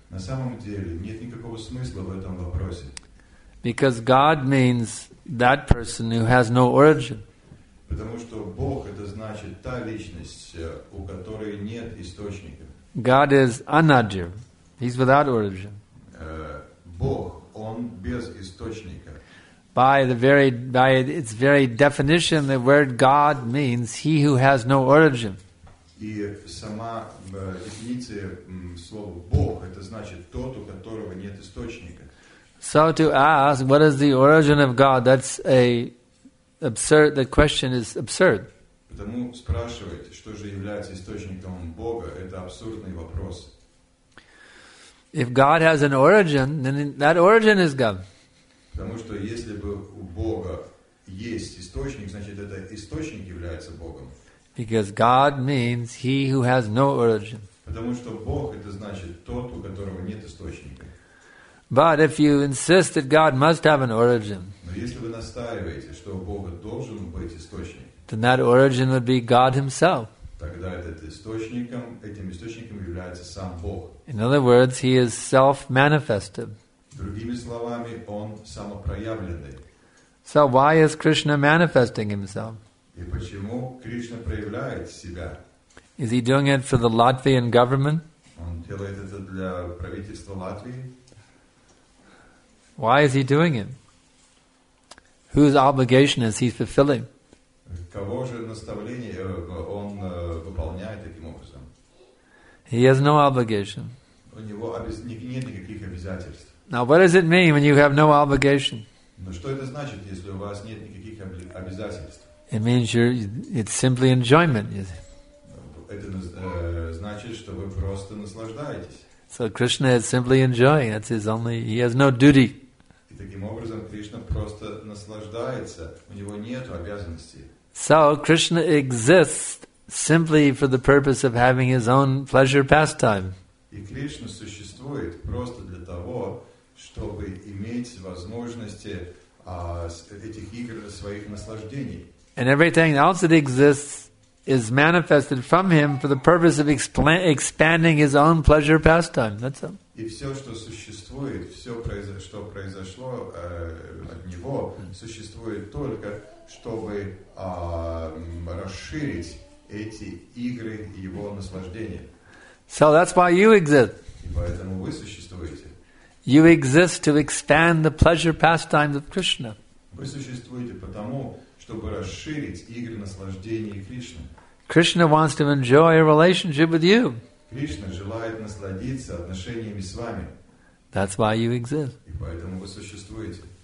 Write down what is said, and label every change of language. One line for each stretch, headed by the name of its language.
Russian: На самом деле нет никакого смысла в этом вопросе.
English: Because God means that person who has no origin.
Russian: Потому что Бог — это значит та личность, у которой нет источника.
English: God is anadir. He's without origin.
Russian: Бог, он без источника.
English: By its very definition, the word God means he who has no origin.
Russian: И сама дефиниция слова Бог — это значит тот, у которого нет источника.
English: So to ask what is the origin of God, that's a absurd, the question is absurd.
Russian: Потому спрашивать, что же является источником Бога, это абсурдный вопрос.
English: If God has an origin, then that origin is God.
Russian: Потому что если бы у Бога есть источник, значит, это источник является Богом.
English: Because God means he who has no origin.
Russian: Потому что Бог — это значит тот, у которого нет источника.
English: But if you insist that God must have an origin,
Russian: но если вы настаиваете, что у Бога должен быть источник,
English: then that origin would be God himself.
Russian: Тогда этим источником является сам Бог.
English: In other words, he is self-manifested.
Russian: Другими словами, он самопроявленный.
English: So why is Krishna manifesting himself?
Russian: И почему Кришна проявляет себя?
English: Is he doing it for the Latvian government?
Russian: Он делает это для правительства Латвии.
English: Why is he doing it? Whose obligation is he fulfilling?
Russian: Кого же наставление он выполняет таким образом?
English: He has no obligation.
Russian: У него нет никаких обязательств.
English: Now, what does it mean when you have no obligation?
Russian: Но что это значит, если у вас нет никаких обязательств?
English: It means you're. It's simply enjoyment.
Russian: Это значит, что вы просто наслаждаетесь.
English: So Krishna is simply enjoying. That's his only. He has no duty.
Russian: И таким образом Кришна просто наслаждается. У него нет обязанностей.
English: So Krishna exists simply for the purpose of having his own pleasure pastime.
Russian: И Кришна существует просто для того, чтобы иметь возможности этих игр своих наслаждений.
English: And everything else that exists is manifested from him for the purpose of expanding his own pleasure pastime. That's all.
Russian: И все, что существует, все, что произошло от него, существует только, чтобы расширить эти игры его наслаждения.
English: So that's why you exist.
Russian: И поэтому вы существуете.
English: You exist to expand the pleasure pastimes of Krishna.
Russian: Вы существуете потому, чтобы расширить игры наслаждения Кришны.
English: Krishna wants to enjoy a relationship with you.
Russian: Кришна желает насладиться отношениями с вами.
English: That's why you exist.
Russian: И поэтому вы существуете.